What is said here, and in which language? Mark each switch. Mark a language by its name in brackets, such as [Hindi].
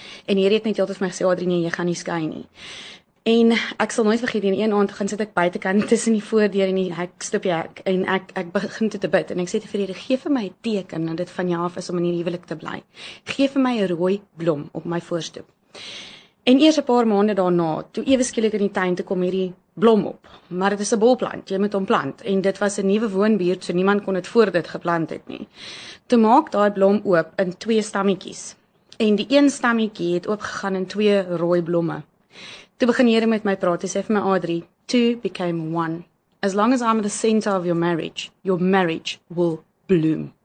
[Afrikaans] En Here het net heeltyd vir my gesê, "Adri, nee, jy gaan nie skei nie." En ek sal nooit vergeet, een aand gaan sit ek buitekant tussen die voordeur en die hek, stop die hek, en ek begin te bid en ek sê vir Here, "Gee vir my 'n teken dat dit van jou af is om in hierdie huwelik te bly. Gee vir my 'n rooi blom op my voorstoep." En eers 'n paar maande daarna, toe ewe skielik in die tuin te kom hierdie blom op. Maar dit is 'n bolplant, jy moet hom plant. En dit was 'n nuwe woonbuurt, so niemand kon dit voor dit geplant het nie. Toe maak daai blom oop in 2 stammetjies. En die een stammetjie het oopgegaan in 2 rooi blomme. Toe begin Here met my praat, hy sê vir my, "Adri, [English] 2 became 1. As long as I'm the center of your marriage will bloom.